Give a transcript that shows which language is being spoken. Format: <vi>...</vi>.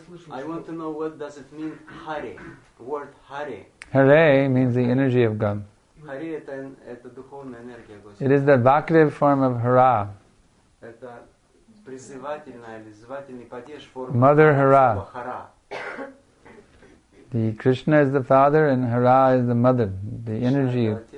<en>I want to know what does it mean, Hare, word Hare. Hare means the energy of God.</en> <ru>Hare – это духовная энергия Господа.</ru> <en>It is the vocative form of Hara.</en> <ru>Это призывательный или звательный падеж формы</ru> <en>Mother Hara. Hara. The Krishna is the father and Hara is the mother, the energy.</en>